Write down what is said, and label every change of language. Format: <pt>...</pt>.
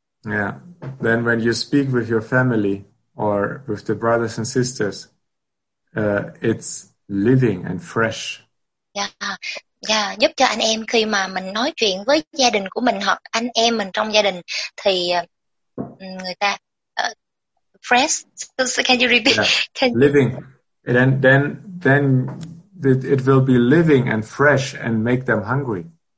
<en>Yeah, then when you speak with your family or with the brothers and sisters, it's living and fresh.</en> <vi>Yeah, giúp cho anh em khi mà mình nói chuyện với gia đình của mình hoặc anh em mình trong gia đình thì người ta fresh.</vi> <en>So can you repeat? Yeah. Can living. And then it will be living and fresh and make them hungry.</en>